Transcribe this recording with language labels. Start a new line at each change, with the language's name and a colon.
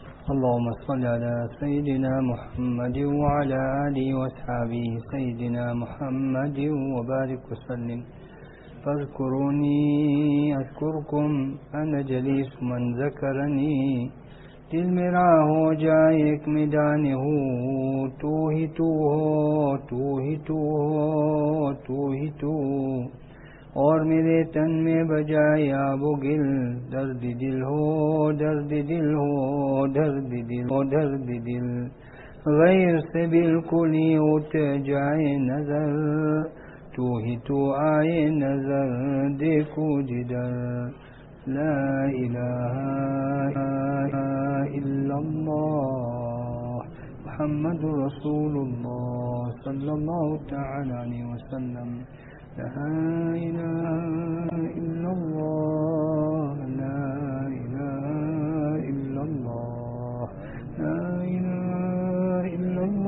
Arabic: اللهم صل على سيدنا محمد وعلى آله وصحبه سيدنا محمد وبارك وسلم. فاذكروني أذكركم, أنا جليس من ذكرني.
Urdu: دل میرا ہو جائے ایک میدان ہو, تو ہی تو ہو, تو ہی تو ہو, تو ہی تو. اور میرے تن میں بجائے آب و گل, درد دل ہو, درد دل ہو, درد دل ہو, درد دل. غیر سے بالکل ہی اٹھ جائے نظر, تو ہی تو آئے نظر, دیکھو جدر.
Arabic: لا الہ الا اللہ محمد رسول اللہ صلی اللہ تعالی علیہ وسلم. لا إله إلا الله, لا إله إلا الله, لا إله إلا الله,